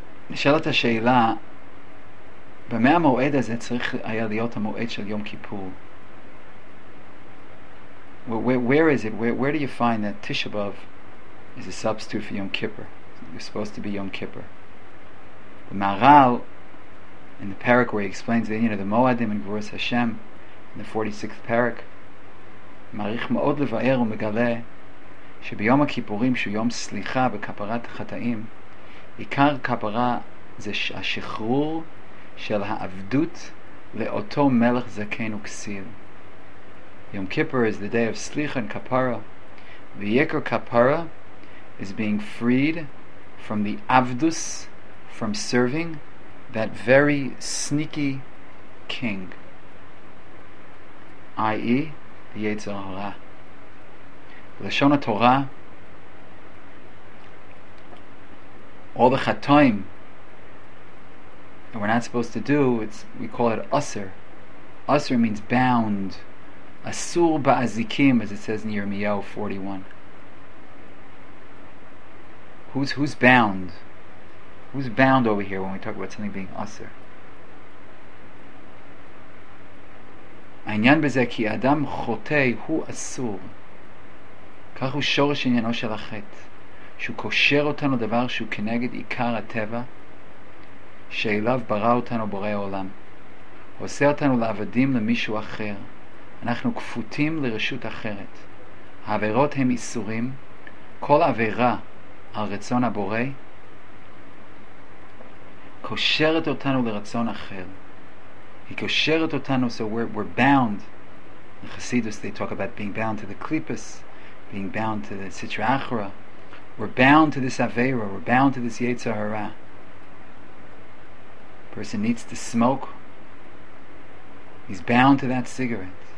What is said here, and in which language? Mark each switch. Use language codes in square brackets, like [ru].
[he] נשאלת השאלה, במה המועד הזה צריך היה להיות המועד של יום כיפור? [en] Where is it? Where do you find that Tisha B'Av is a substitute for Yom Kippur? You're supposed to be Yom Kippur. The Maral, in the Perek where he explains that, you know, the Moadim in Gevurah Hashem, in the 46th Perek, [he] מעריך מאוד לבאר ומגלה שביום הכיפורים שהוא יום סליחה וכפרת חטאים, עיקר כפרה זה השחרור של העבדות לאותו מלך זקן וכסיל. [en] Yom Kippur is the day of slicha and kapara. V'yekar kapara is being freed from the avdus, from serving that very sneaky king, i.e. the Yetzer Hara. Lashon HaTorah, all the chatoim that we're not supposed to do, we call it aser. Aser means bound. Asur ba'azikim, as it says in Yirmiyahu 41. Who's bound? Who's bound over here when we talk about something being aser? [he] העניין בזה כי אדם חוטא הוא אסור. כך הוא שורש עניינו של החטא, שהוא קושר אותנו דבר שהוא כנגד עיקר הטבע שאליו ברא אותנו בורא העולם. הוא עושה אותנו לעבדים למישהו אחר. אנחנו כפותים לרשות אחרת. העבירות הם איסורים. כל עבירה על רצון הבורא קושרת אותנו לרצון אחר. היא קושרת אותנו, [en] so we're bound. In Hasidus, they talk about being bound to the klipas, being bound to the sitra achra. We're bound to this avera, we're bound to this yetzer hara. Person needs to smoke, he's bound to that cigarette.